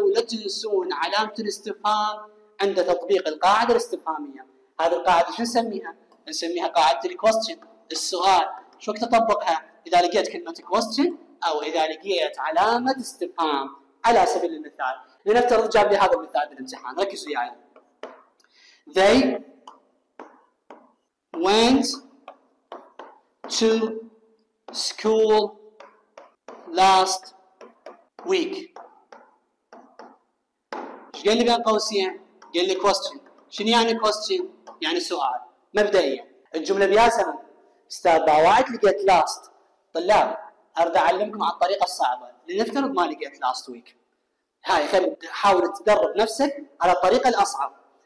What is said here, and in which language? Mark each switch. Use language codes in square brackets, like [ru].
[ar] ولا تنسون علامة الاستفهام عند تطبيق القاعدة الاستفهامية. هذه القاعدة شو نسميها؟ نسميها قاعدة الكوستشن، السؤال. شو وقت تطبقها؟ إذا لقيت كلمة كوستشن أو إذا لقيت علامة استفهام. على سبيل المثال لنفترض جاب لي هذا المثال بالامتحان، ركزوا يعني. [en] They went to school last week. [ar] ايش قال لي بين قوسين؟ قال لي question. شنو يعني question؟ يعني سؤال مبدئيا. الجملة بيا زمن استاذ باوعد لقيت last. طلاب أرد أعلمكم على الطريقة الصعبة. لنفترض ما لقيت last week، هاي حاول تدرب نفسك على الطريقة الأصعب.